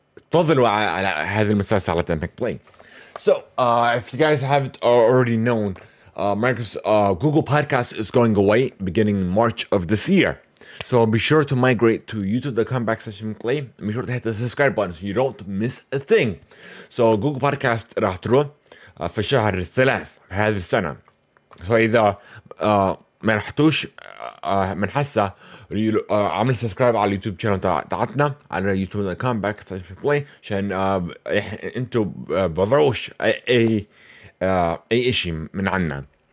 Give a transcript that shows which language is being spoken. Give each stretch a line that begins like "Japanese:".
Arabic: تفضلوا على هذه المسلسل على Theimpactplay.
English: So, if you guys haven't already known, Google Podcast is going away beginning March of this year. So be sure to migrate to youtube.com /Theimpactplay. Be sure to hit the subscribe button so you don't miss a thing.
Arabic: So Google Podcast راح تروح في شهر الثلاث هذه السنة. So إذا ما رحتوش من حسة عمل سبسكرايب على اليوتيوب شانل تاعتنا على youtube.com /Theimpactplay عشان انتو بضروش اي اشي من عنا.